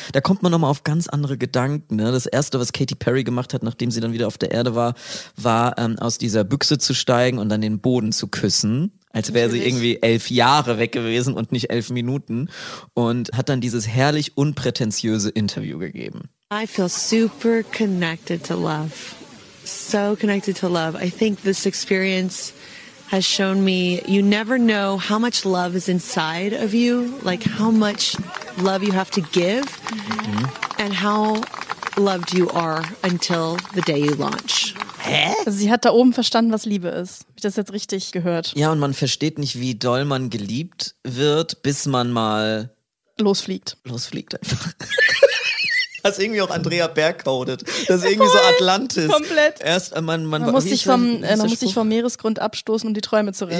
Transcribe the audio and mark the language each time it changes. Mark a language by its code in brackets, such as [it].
[de] Da kommt man nochmal auf ganz andere Gedanken. Ne? Das Erste, was Katy Perry gemacht hat, nachdem sie dann wieder auf der Erde war, war aus dieser Büchse zu steigen und dann den Boden zu küssen. Als wäre sie irgendwie 11 Jahre weg gewesen und nicht 11 Minuten. Und hat dann dieses herrlich unprätentiöse Interview gegeben. [en] I feel super connected to love. So connected to love. I think this experience has shown me you never know how much love is inside of you. Like how much love you have to give. Mm-hmm. And how loved you are until the day you launch. [de] Hä? Also sie hat da oben verstanden, was Liebe ist. Habe ich das jetzt richtig gehört? Ja, und man versteht nicht, wie doll man geliebt wird, bis man mal losfliegt einfach. Das ist irgendwie auch Andrea Berg codet. Das ist irgendwie so Atlantis. Komplett. Erst, man muss sich vom Meeresgrund abstoßen, um die Träume zu retten.